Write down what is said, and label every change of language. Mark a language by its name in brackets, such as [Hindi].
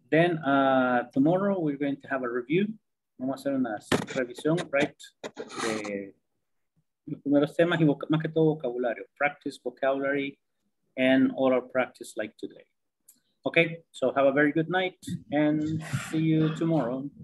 [English] Then, tomorrow we're going to have a review. [Spanish] Vamos a hacer una revisión, [English] right? [Spanish] De los primeros temas y más que todo vocabulario. [English] Practice vocabulary and all our practice like today. Okay, so have a very good night and see you tomorrow.